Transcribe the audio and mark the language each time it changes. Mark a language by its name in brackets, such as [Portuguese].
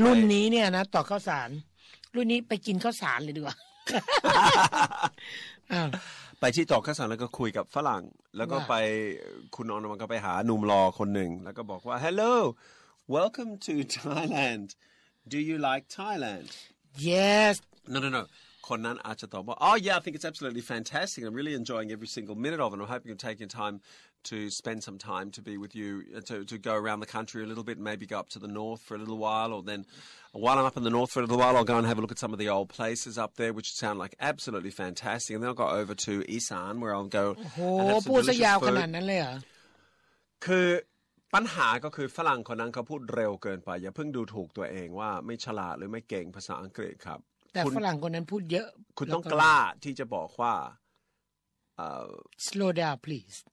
[Thai] รุ่นนี้เนี่ยนะตรอกข้าวสารรุ่นนี้ไปกินข้าวสารเลยดีกว่า ไปที่ตรอกข้าวสารแล้วก็คุยกับฝรั่งแล้วก็ไปคุณออนุมาก็ไปหาหนุ่มรอคนหนึ่งแล้วก็บอกว่า [English] Hello Welcome to Thailand Do you like Thailand [Thai] Yes [English] No [Thai] คนนั้นอาจจะตอบว่า [English] Oh yeah I think it's absolutely fantastic I'm really enjoying every single minute of it I'm hoping to take your timeTo spend some time to be with you, to go around the country a little bit, maybe go up to the north for a little while, or then while I'm up in the north for a little while, I'll go and have a look at some of the old places up there, which sound like absolutely fantastic. And then I'll go over to Isan, where I'll go and have some delicious food. [Thai] โอ้โห พูดซะยาวขนาดนั้นเลยเหรอ คือ ปัญหาก็คือฝรั่งคนนั้นเขาพูดเร็วเกินไปอย่าเพิ่งดูถูกตัวเองว่าไม่ฉลาดหรือไม่เก่งภาษาอังกฤษครับ แต่ฝรั่งคนนั้นพูดเยอะ คุณต้องกล้าที่จะบอกว่า [English] slow down please